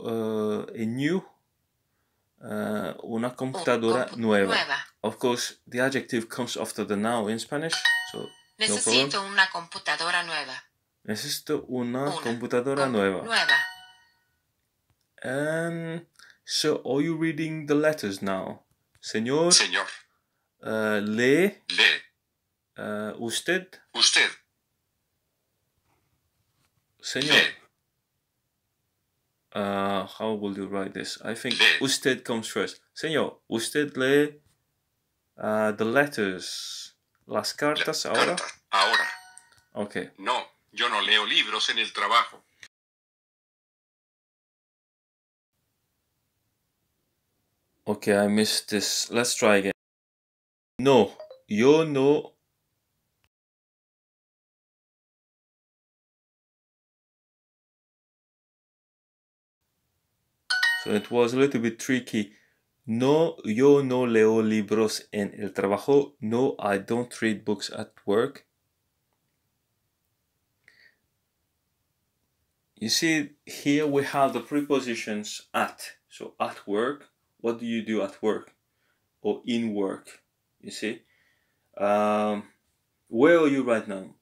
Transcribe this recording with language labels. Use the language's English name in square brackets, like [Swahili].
[English] a new, [Spanish] una computadora nueva. [English] Of course, the adjective comes after the noun in Spanish. So, [Spanish] necesito [English] no problem. [Spanish] Una computadora nueva. Necesito una computadora nueva. [English] And so, are you reading the letters now? [Spanish] Señor. Lee. Usted. [English] Señor. Lee. How will you write this? I think lee. Usted comes first. [Spanish] Señor, usted lee [English] the letters. [Spanish] Las cartas ahora. Ahora. [English] Okay. [Spanish] No. Yo no leo libros en el trabajo. [English] Okay, I missed this. Let's try again. [Spanish] No, yo no. [English] So it was a little bit tricky. [Spanish] No, yo no leo libros en el trabajo. [English] No, I don't read books at work. You see, here we have the prepositions at. So, at work, what do you do at work? Or in work, you see? Where are you right now?